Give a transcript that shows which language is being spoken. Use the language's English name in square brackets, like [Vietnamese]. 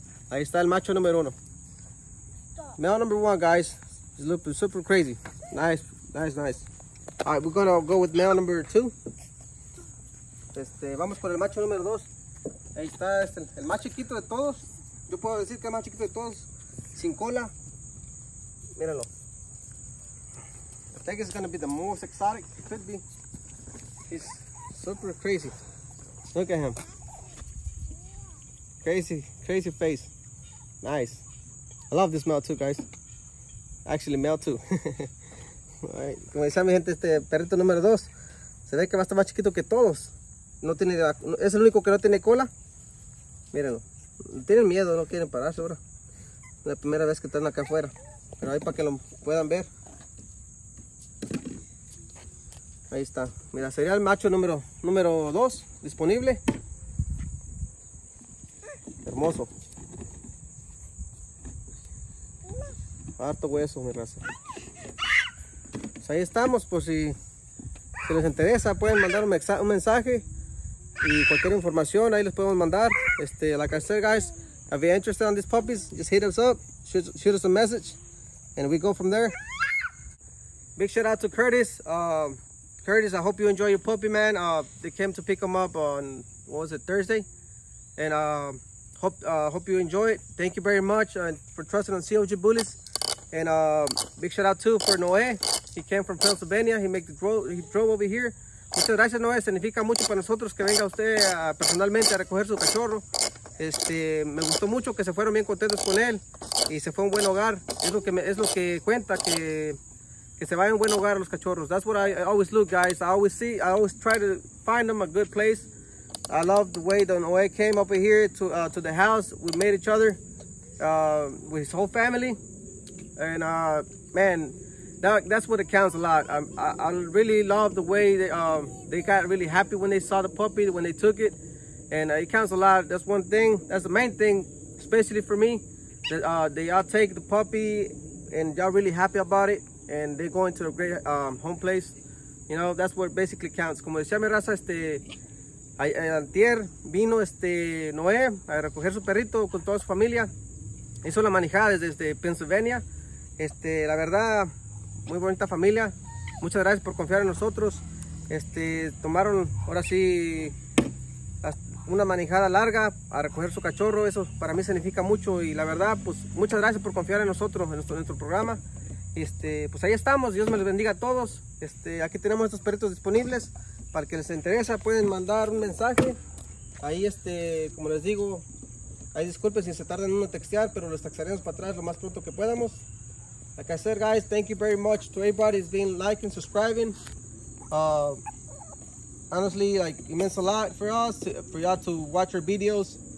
[Spanish] Ahí está el macho número 1. [English] Male number 1, guys. He's looking super crazy. Nice. Alright, we're gonna go with male number 2. [Spanish] Vamos con el macho número 2. Ahí está el más chiquito de todos. Yo puedo decir que es más chiquito de todos, sin cola. Míralo. [English] I think it's gonna be the most exotic. Could be. He's super crazy. Look at him. Crazy face. Nice. I love this male too, guys. Actually, male too. Alright. [Spanish] Como decía mi gente, este perrito número 2 se ve que va a estar más chiquito que todos. No tiene. Es el único que no tiene cola. Míralo. Tienen miedo, no quieren pararse ahora. La primera vez que están acá afuera. Pero ahí para que lo puedan ver. Ahí está. Mira, sería el macho número 2 disponible. Hermoso. Harto hueso, mi raza. Pues ahí estamos. Por si les interesa, pueden mandar un mensaje. Y cualquier información, ahí les podemos mandar. [English] Like I said, guys, if you're interested on these puppies, just hit us up, shoot us a message, and we go from there. Big shout out to Curtis. Curtis, I hope you enjoy your puppy, man. They came to pick him up on, what was it, Thursday? And hope you enjoy it. Thank you very much for trusting on COG Bullies. And big shout out too for Noé. He came from Pennsylvania. He drove over here. [Spanish] Muchas gracias, [English] Noé. [Spanish] Significa mucho para nosotros que venga usted personalmente a recoger su cachorro. Me gustó mucho que se fueron bien contentos con él y se fue a un buen hogar. Es lo que cuenta, que se vaya a un buen hogar a los cachorros. [English] That's what I always look, guys. I always try to find them a good place. I love the way that Noé came over here to the house. We made each other with his whole family. And man, that's what it counts a lot. I really love the way they got really happy when they saw the puppy, when they took it. And it counts a lot. That's one thing. That's the main thing, especially for me, that they all take the puppy and y'all really happy about it. And they're going to a great home place. You know, that's what basically counts. [Spanish] Como decía mi raza, antier vino Noé a recoger su perrito con toda su familia. Hizo la manejada desde Pennsylvania. La verdad, muy bonita familia. Muchas gracias por confiar en nosotros. Tomaron ahora sí una manejada larga a recoger su cachorro. Eso para mí significa mucho. Y la verdad, pues muchas gracias por confiar en nosotros, en nuestro programa. Pues ahí estamos, Dios me los bendiga a todos. Aquí tenemos estos perritos disponibles. Para que les interesa, pueden mandar un mensaje. Ahí, como les digo, ahí disculpen si se tardan en uno textear, pero los taxaremos para atrás lo más pronto que podamos. [English] Like I said, guys, thank you very much to everybody who's been liking, subscribing. Honestly, like, it means a lot for us, for y'all to watch our videos.